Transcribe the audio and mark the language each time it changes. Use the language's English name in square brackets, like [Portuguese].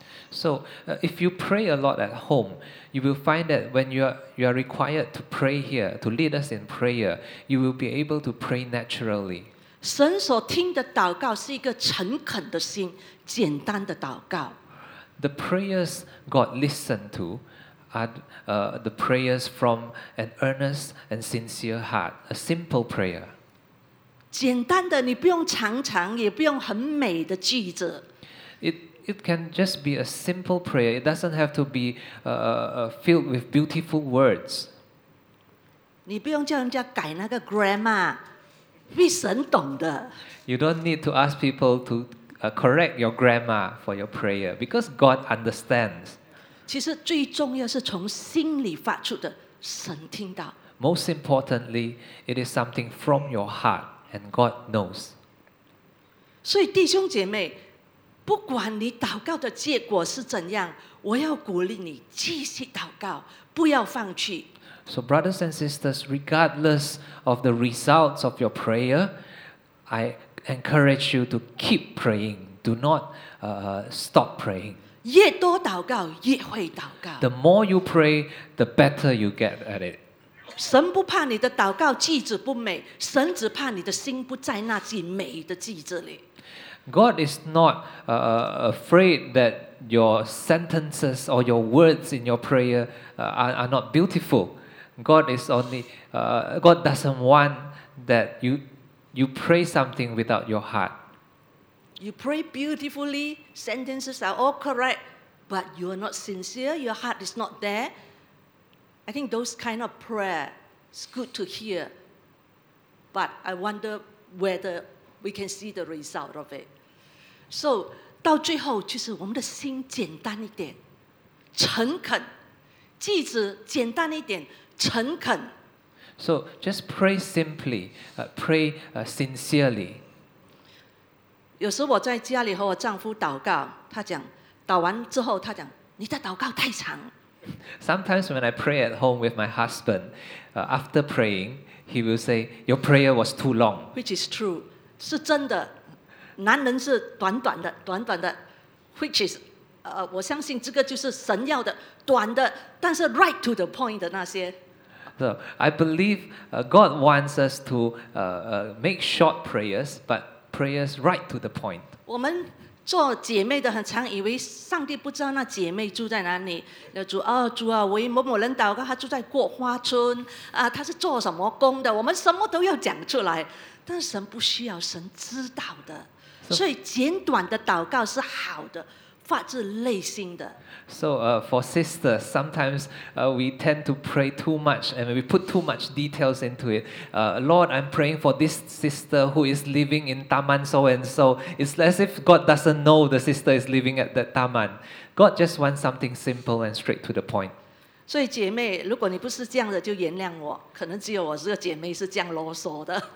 [English] So, if you pray a lot at home, you will find that when you are required to pray here, to lead us in prayer, you will be able to pray naturally. [Chinese] 神所听的祷告是一个诚恳的心，简单的祷告。 [English] The prayers God listened toAre the prayers from an earnest and sincere heart, a simple prayer. [Chinese] 简单的，你不用常常，也不用很美的句子。 [English] It can just be a simple prayer. It doesn't have to be filled with beautiful words. [Chinese] 你不用叫人家改那个 grammar， 必神懂的。 [English] You don't need to ask people to correct your grammar for your prayer because God understands. [Chinese] 其实最重要是从心里发出的，神听到。 [English] Most importantly, it is something from your heart. And God knows. [Chinese] 所以弟兄姐妹，不管你祷告的结果是怎样，我要鼓励你继续祷告，不要放弃。 [English] So brothers and sisters, regardless of the results of your prayer, I encourage you to keep praying. Do not stop praying. [Chinese] 越多祷告，越会祷告。 [English] The more you pray, the better you get at it. [Chinese] 神不怕你的祷告句子不美，神只怕你的心不在那句美的句子里。 [English] God is not afraid that your sentences or your words in your prayer are not beautiful. God doesn't want that you pray something without your heart. You pray beautifully, sentences are all correct, but you are not sincere. Your heart is not there. I think those kind of prayer is good to hear, but I wonder whether we can see the result of it. [Chinese] So, 到最后就是我们的心简单一点，诚恳，句子简单一点，诚恳。 [English] So, just pray simply, sincerely. [Chinese] 有时我在家里和我丈夫祷告，他讲，祷完之后他讲，你的祷告太长。 [English] Sometimes when I pray at home with my husband, after praying, he will say, "Your prayer was too long." Which is true, [Chinese] 是真的。男人是短短的，短短的。 [English] Which is, [Chinese] 我相信这个就是神要的，短的，但是 [English] right to the point [Chinese] 的那些。 [English] So I believe God wants us to make short prayers, but prayers right to the point. [Chinese] 我们做姐妹的很常以为上帝不知道那姐妹住在哪里。主啊，主啊，为某某人祷告，他住在过花村啊，他是做什么工的？我们什么都要讲出来，但神不需要，神知道的。所以简短的祷告是好的，发自内心的。 [English] So for sisters, sometimes we tend to pray too much and we put too much details into it. Lord, I'm praying for this sister who is living in Taman so and so. It's as if God doesn't know the sister is living at that Taman. God just wants something simple and straight to the point. [Chinese] 所以姐妹，如果你不是这样的，就原谅我。可能只有我这个姐妹是这样啰嗦的。